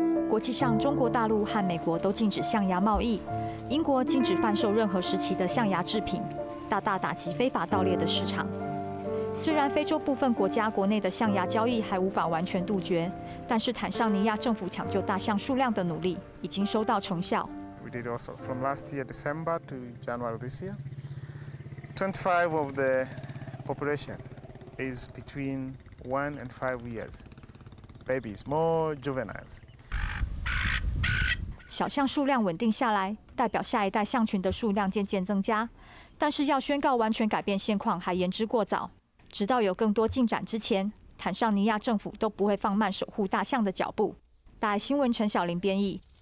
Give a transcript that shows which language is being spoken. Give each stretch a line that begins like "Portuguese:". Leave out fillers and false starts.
Chinese: 国际上，中国大陆和美国都禁止象牙贸易，英国禁止贩售任何时期的象牙制品，大大打击非法盗猎的市场。虽然非洲部分国家国内的象牙交易还无法完全杜绝，但是坦桑尼亚政府抢救大象数量的努力已经收到成效。
English: We did also from last year December to January this year, 25 of the population is between 1 and 5 years, babies, more juveniles.
Chinese: 小象数量稳定下来，代表下一代象群的数量渐渐增加，但是要宣告完全改变现况还言之过早。直到有更多进展之前，坦桑尼亚政府都不会放慢守护大象的脚步。大爱新闻陈小玲编译。